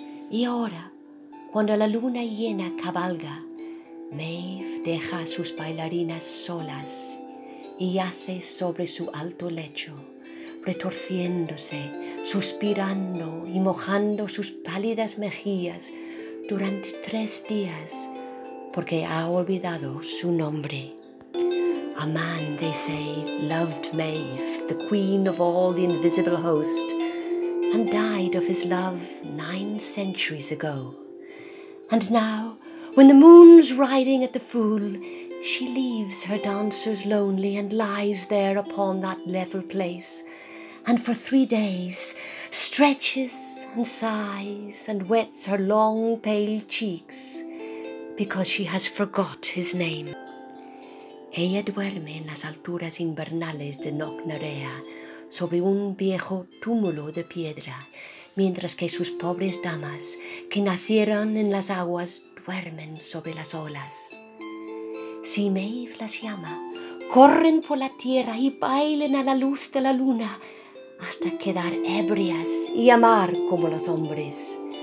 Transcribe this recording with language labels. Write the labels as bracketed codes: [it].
[es] Y ahora, cuando la luna llena cabalga, Maeve deja a sus bailarinas solas y yace sobre su alto lecho, retorciéndose, suspirando y mojando sus pálidas mejillas durante 3 días, porque ha olvidado su nombre. [en] A man, they say, loved Maeve, the queen of all the invisible host, and died of his love 9 centuries ago. And now, when the moon's riding at the full, she leaves her dancers lonely and lies there upon that level place, and for 3 days stretches and sighs and wets her long pale cheeks, because she has forgot his name. [es] Ella duerme en las alturas invernales de Nocnarea, sobre un viejo túmulo de piedra, mientras que sus pobres damas, que nacieron en las aguas, duermen sobre las olas. Si Maeve las llama, corren por la tierra y bailan a la luz de la luna, hasta quedar ebrias y amar como los hombres.